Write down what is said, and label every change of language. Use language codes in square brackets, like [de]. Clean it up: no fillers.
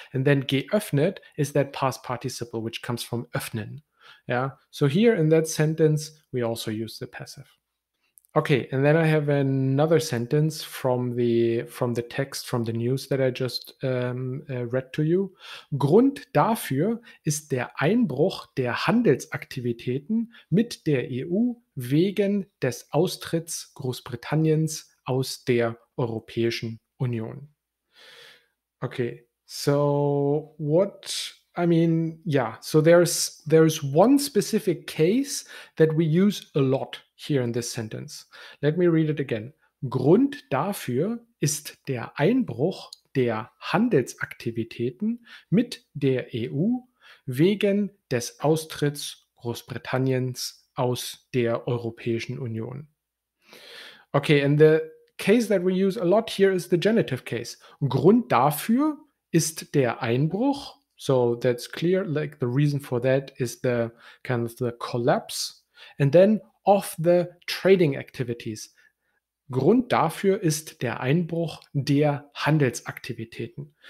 [en] And then geöffnet is that past participle, which comes from öffnen. Yeah. So here in that sentence, we also use the passive. Okay. And then I have another sentence from the text, from the news that I just read to you. [de] Grund dafür ist der Einbruch der Handelsaktivitäten mit der EU wegen des Austritts Großbritanniens aus der Europäischen Union. [en] Okay. So what... I mean, yeah, so there's one specific case that we use a lot here in this sentence. Let me read it again. [de] Grund dafür ist der Einbruch der Handelsaktivitäten mit der EU wegen des Austritts Großbritanniens aus der Europäischen Union. [en] Okay, and the case that we use a lot here is the genitive case. [de] Grund dafür ist der Einbruch. [en] So that's clear, like the reason for that is the kind of the collapse. And then of the trading activities. [de] Grund dafür ist der Einbruch der Handelsaktivitäten.